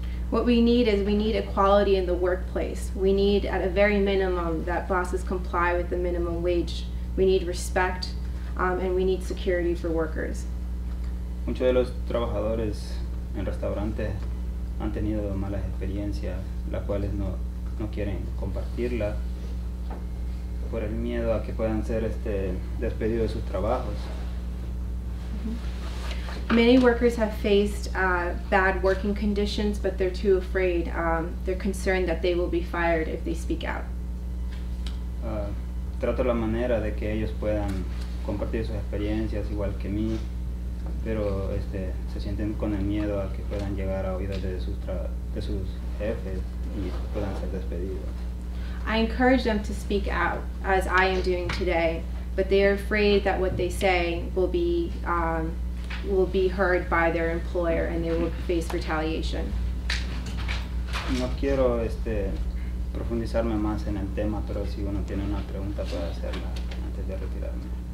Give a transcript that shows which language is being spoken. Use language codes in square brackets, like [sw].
[en] What we need is we need equality in the workplace. We need, at a very minimum, that bosses comply with the minimum wage. We need respect. And we need security for workers. [es] Muchos de los trabajadores en restaurantes han tenido malas experiencias, las cuales no quieren compartirlas por el miedo a que puedan ser despedidos de sus trabajos. [en] Many workers have faced bad working conditions, but they're too afraid. They're concerned that they will be fired if they speak out. [es] Trato la manera de que ellos puedan compartir sus experiencias igual que mí, pero se sienten con el miedo a que puedan llegar a oídos de sus jefes y puedan ser despedidos. [en] I encourage them to speak out, as I am doing today, but they are afraid that what they say will be heard by their employer and they will face retaliation. [es] No quiero profundizarme más en el tema, pero si uno tiene una pregunta puede hacerla antes de retirarme.